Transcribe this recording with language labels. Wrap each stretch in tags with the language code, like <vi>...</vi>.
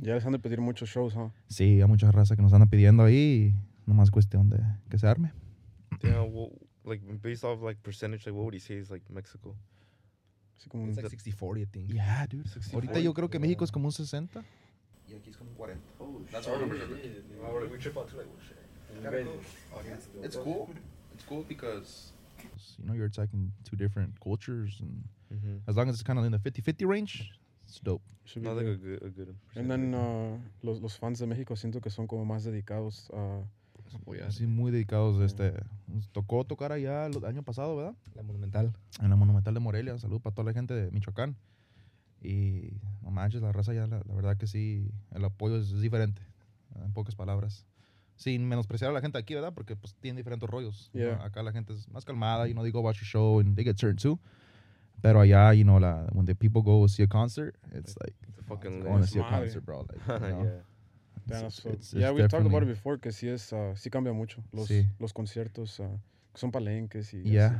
<es>Ya les han de pedir muchos shows, ¿no? Sí, hay mucha raza que nos andan pidiendo ahí, nomás cuestión de que se arme.</es> <en>Like, based off, like, percentage, like, what would he say is, like, Mexico? It's like 60-40, I think. Yeah, dude. 60-40.</en> <es>Ahorita yo creo que México es como un 60. Y aquí es como 40. Oh,</es> <en>that's shit. That's our numbers. Yeah. We trip out to, like, oh, shit. It's cool. It's cool because... You know, you're attacking two different cultures, and as long as it's kind of in the 50-50 range, it's dope. Should be not, good. Like, a good percentage. And then</en> <es>los fans de México siento que son como más dedicados a... Sí, muy dedicados. Tocó tocar allá el año pasado, ¿verdad? La Monumental. En la Monumental de Morelia. Saludos para toda la gente de Michoacán. Y no manches, la raza ya, la verdad que sí, el apoyo es diferente, en pocas palabras. Sin menospreciar a la gente aquí, ¿verdad? Porque pues tienen diferentes rollos.</es> <en>Yeah.</en> <es>Acá la gente es más calmada,</es> <en>you know, they go watch a show and they get turned too.</en> <es>Pero allá,</es> <en>you know, when the people go see a concert, it's like, it's a fucking going to see a concert, bro. Like, you know? Yeah. We talked about it before,</en> <es>que sí es, sí cambia mucho, los conciertos, son palenques y</es>